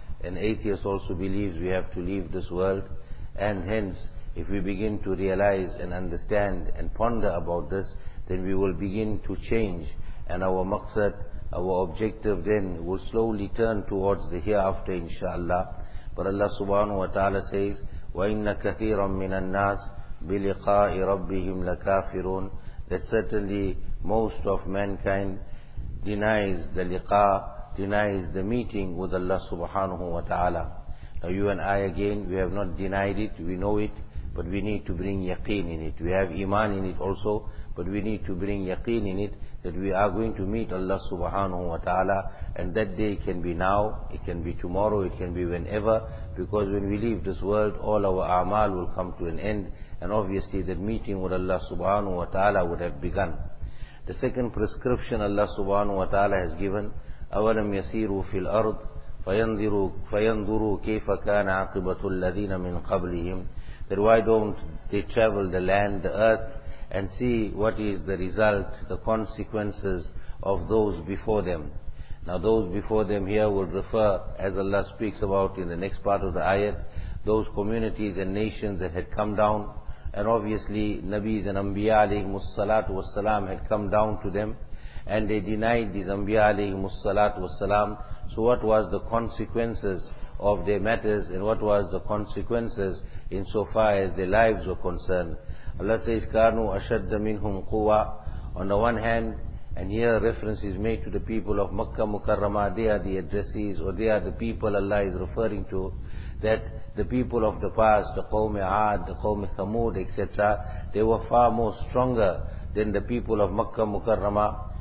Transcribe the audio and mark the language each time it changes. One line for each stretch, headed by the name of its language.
English: An atheist also believes we have to leave this world. And hence, if we begin to realize and understand and ponder about this, then we will begin to change. And our maqsad, our objective then will slowly turn towards the hereafter, inshaAllah. But Allah subhanahu wa ta'ala says,
Arabic: وَإِنَّ كَثِيرًا مِنَ النَّاسِ بِلِقَاءِ رَبِّهِمْ لَكَافِرُونَ.
English: That certainly most of mankind denies the liqa, denies the meeting with Allah subhanahu wa ta'ala. Now you and I again, we have not denied it, we know it, but we need to bring yaqeen in it. We have iman in it also, but we need to bring yaqeen in it, that we are going to meet Allah subhanahu wa ta'ala, and that day can be now, it can be tomorrow, it can be whenever, because when we leave this world, all our a'mal will come to an end, and obviously that meeting with Allah subhanahu wa ta'ala would have begun. The second prescription Allah subhanahu wa ta'ala has given,
Arabic: أَوَلَمْ يَسِيرُوا فِي الْأَرْضِ فَيَنْظُرُوا كَيْفَ كَانَ عَقِبَةُ الَّذِينَ مِنْ قَبْلِهِمْ.
English: That why don't they travel the land, the earth, and see what is the result, the consequences of those before them. Now those before them here will refer, as Allah speaks about in the next part of the ayat, those communities and nations that had come down, and obviously Nabis and Anbiya alayhimu salatu wassalam had come down to them, and they denied these Anbiya alayhimu salatu wassalam. So what was the consequences of their matters, and what was the consequences insofar as their lives were concerned? Allah says,
Arabic: كَانُوا أَشَدَّ مِنْهُمْ قُوَى.
English: On the one hand, and here reference is made to the people of Makkah Mukarramah, they are the addressees, or they are the people Allah is referring to, that the people of the past, the Qawm-e Aad, the Qawm-e Thamud, etc., they were far more stronger than the people of Makkah Mukarramah.